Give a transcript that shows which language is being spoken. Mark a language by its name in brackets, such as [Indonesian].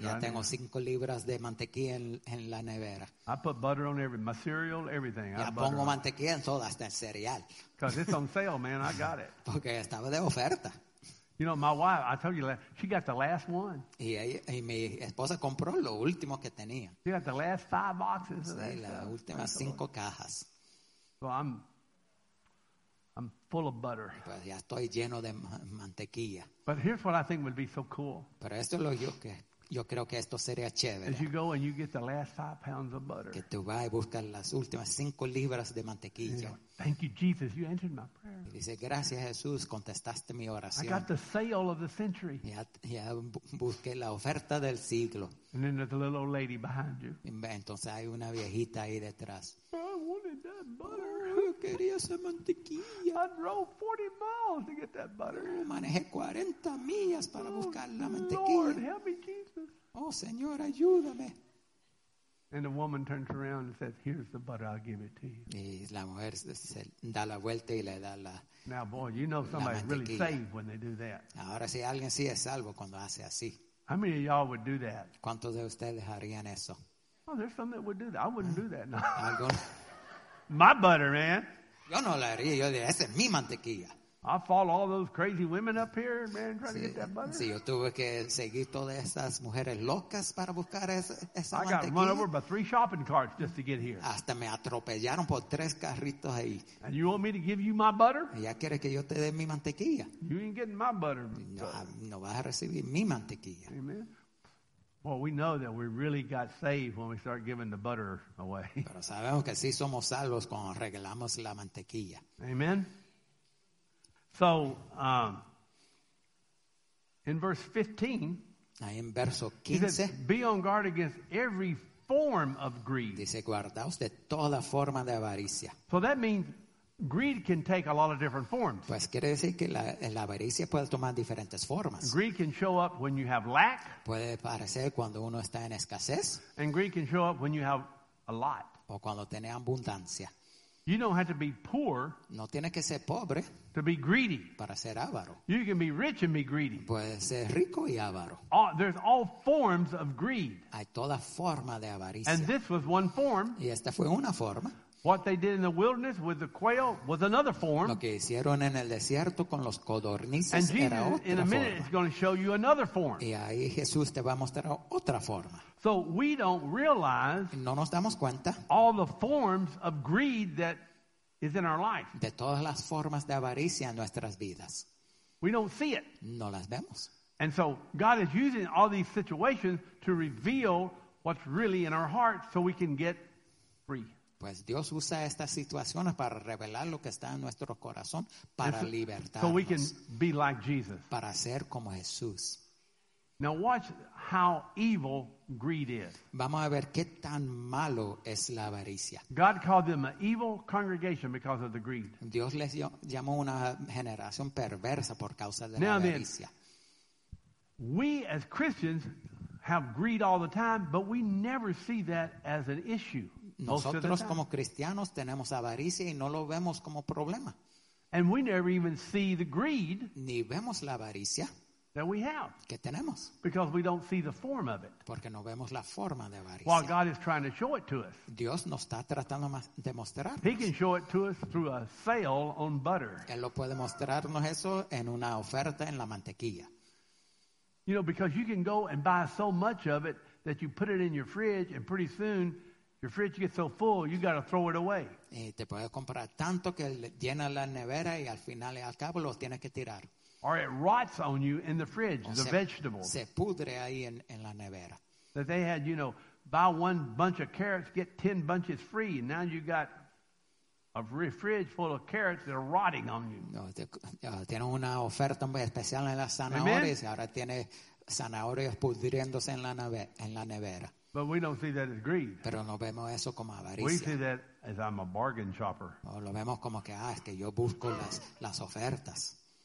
[Spanish] Ya tengo 5 libras de mantequilla en la nevera. [English] I put butter on my cereal, everything. [Spanish] Ya pongo mantequilla en todo, hasta el cereal. [English] Because it's on sale, man, I got it. [Spanish] Porque estaba de oferta. [English] You know, my wife, I told you, she got the last one. [Spanish] Y mi esposa compró lo último que tenía. [English] She got the last 5 boxes. [Spanish] Sí, las últimas 5 cajas. [English] So I'm full of butter. [Spanish] Pues ya estoy lleno de mantequilla. [English] But here's what I think would be so cool. [Spanish] Pero esto es lo que yo creo que esto sería chévere. [English] As you go and you get the last 5 pounds of butter. [Spanish] Que tú vas y buscas las últimas 5 libras de mantequilla. [English] Thank you, Jesus. You answered my prayer. [Spanish] Y dice, gracias, Jesús. Contestaste mi oración. [English] I got the sale of the century. [Spanish] Ya busqué la oferta del siglo. [English] And then there's a little old lady behind you. [Spanish] Entonces hay una viejita ahí detrás. [English] I wanted that butter. [Spanish] Quería esa mantequilla. [English] I drove 40 miles to get that butter. [Spanish] Manejé 40 millas para buscar la mantequilla. [English] Lord, help me, Jesus. [Spanish] Oh, Señor, ayúdame. [English] And the woman turns around and says, here's the butter, I'll give it to you. [Spanish] Y la mujer se da la vuelta y le da la. [English] Now, boy, you know somebody's really saved when they do that. [Spanish] Ahora sí, alguien sí es salvo cuando hace así. [English] How many of y'all would do that? [Spanish] ¿Cuántos de ustedes harían eso? [English] Oh, there's some that would do that. I wouldn't do that. No. My butter, man. [Spanish] Yo no la haría. Yo diría, esa es mi mantequilla. [English] I follow all those crazy women up here, man, trying to get that butter. [Spanish] Sí, yo tuve que seguir todas esas mujeres locas para buscar esa mantequilla. [English] I got run over by 3 shopping carts just to get here. [Spanish] Hasta me atropellaron por 3 carritos ahí. [English] And you want me to give you my butter? [Spanish] ¿Ya quieres que yo te dé mi mantequilla? [English] You ain't getting my butter. [Spanish] No vas a recibir mi mantequilla. [English] Amen. Well, we know that we really got saved when we start giving the butter away. [Spanish] Pero sabemos que sí somos salvos cuando regalamos la mantequilla. [English] Amen. So, in verse 15, [Spanish] Ahí en verso 15. [English] He says, be on guard against every form of greed. [Spanish] Dice, guardaos de toda forma de avaricia. [English] So that means greed can take a lot of different forms. [Spanish] Pues quiere decir que la avaricia puede tomar diferentes formas. [English] Greed can show up when you have lack. [Spanish] Puede aparecer cuando uno está en escasez. [English] And greed can show up when you have a lot. [Spanish] O cuando tiene abundancia. [English] You don't have to be poor. [Spanish] No tiene que ser pobre. [English] To be greedy. [Spanish] Para ser avaro. [English] You can be rich and be greedy. [Spanish] Puede ser rico y avaro. [English] There's all forms of greed. [Spanish] Hay toda forma de avaricia. [English] And this was one form. [Spanish] Y esta fue una forma. [English] What they did in the wilderness with the quail was another form. [Spanish] Lo que hicieron en el desierto con los codornices [English] and Jesus, [Spanish] era otra [English] in a minute, [Spanish] forma. [English] Is going to show you another form. [Spanish] Y ahí Jesús te va a mostrar otra forma. [English] So we don't realize [Spanish] no nos damos cuenta [English] all the forms of greed that is in our life. [Spanish] De todas las formas de avaricia en nuestras vidas. [English] We don't see it. [Spanish] No las vemos. [English] And so God is using all these situations to reveal what's really in our heart so we can get free. [Spanish] Pues Dios usa estas situaciones para revelar lo que está en nuestro corazón para libertarnos. [English] So we can be like Jesus. [Spanish] Para ser como Jesús. [English] Now watch how evil greed is. [Spanish] Vamos a ver qué tan malo es la avaricia. [English] God called them an evil congregation because of the greed. [Spanish] Dios les llamó una generación perversa por causa de la avaricia. [English] We as Christians have greed all the time, but we never see that as an issue. [Spanish] Nosotros como cristianos tenemos avaricia y no lo vemos como problema. [English] And we never even see the greed. [Spanish] Ni vemos la avaricia. [English] That we have. [Spanish] Que tenemos. [English] Because we don't see the form of it. [Spanish] Porque no vemos la forma de avaricia. [English] While God is trying to show it to us. [Spanish] Dios nos está tratando de mostrarnos. [English] He can show it to us through a sale on butter. [Spanish] Él lo puede mostrarnos eso en una oferta en la mantequilla. [English] You know, because you can go and buy so much of it that you put it in your fridge and pretty soon your fridge gets so full, you got to throw it away. [Spanish] Y te puedes comprar tanto que llena la nevera y al final y al cabo lo tienes que tirar. [English] Or it rots on you in the fridge, the vegetables. [Spanish] Se pudre ahí en la nevera. [English] That they had, you know, buy one bunch of carrots, get 10 bunches free, and now you got a fridge full of carrots that are rotting on you. [Spanish] No, tiene una oferta muy especial en las zanahorias, y ahora tiene zanahorias pudriéndose en la nevera. [English] But we don't see that as greed. [Spanish] Pero no vemos eso como avaricia. [English] We see that as I'm a bargain shopper. [Spanish] O lo vemos como que, ah, es que yo busco las ofertas.